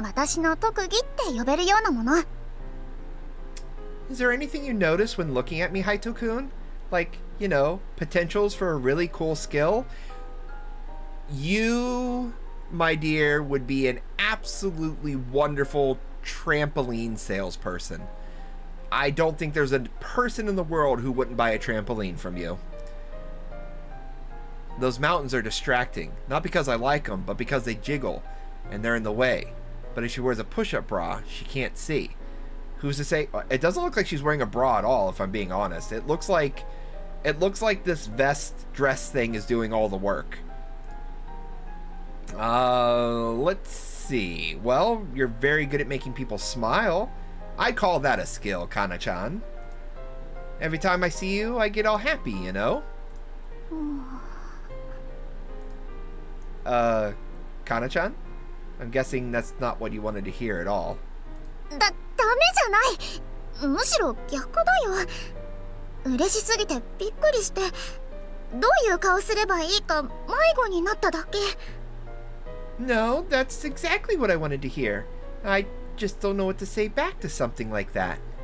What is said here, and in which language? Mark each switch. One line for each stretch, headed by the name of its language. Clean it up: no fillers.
Japanese: 逆に、ハイト君から見てなんかない？私の特技って呼べるようなもの。
English: Is there anything you notice when looking at me, Haito-kun? Like, you know, potentials for a really cool skill? You, my dear, would be an absolutely wonderful trampoline salesperson. I don't think there's a person in the world who wouldn't buy a trampoline from you. Those mountains are distracting, not because I like them, but because they jiggle and they're in the way. But if she wears a push-up bra, she can't see. Who's to say? It doesn't look like she's wearing a bra at all, if I'm being honest. It looks like this vest dress thing is doing all the work. Let's see. Well, you're very good at making people smile. I call that a skill, Kana-chan. Every time I see you, I get all happy, you know? Kana-chan? I'm guessing that's not what you wanted to hear at all.
Japanese: ダメじゃない。むしろ逆だよ。嬉しすぎてびっくりして、どういう顔すればいいか迷子になっただけ。
English: No, that's exactly what I wanted to hear. I just don't know what to say back to something like that.